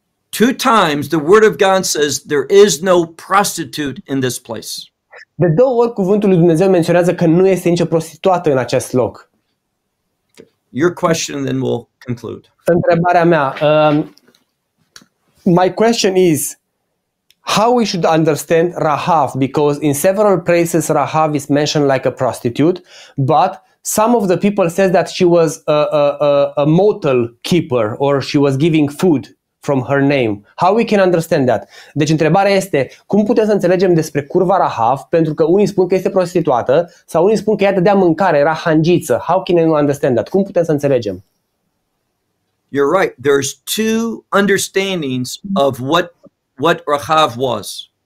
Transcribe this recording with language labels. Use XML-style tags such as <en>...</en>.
<en>Two times the word of God says there is no prostitute in this place.</en> <ro>De două ori cuvântul lui Dumnezeu menționează că nu este nicio prostituată în acest loc.</ro> <en>Your question then we'll conclude.</en> <ro>Întrebarea mea,</ro> <en>my question is how we should understand Rahav, because in several places Rahav is mentioned like a prostitute, but some of the people says that she was a motel keeper or she was giving food from her name. How we can understand that?</en> <ro>Deci întrebarea este, cum putem să înțelegem despre curva Rahav, pentru că unii spun că este prostituată sau unii spun că ea dădea mâncare, era hangiță.</ro> <en>How can you understand that?</en> <ro>Cum putem să înțelegem?</ro> <en>You're right. There's two understandings of what Rahav was.</en>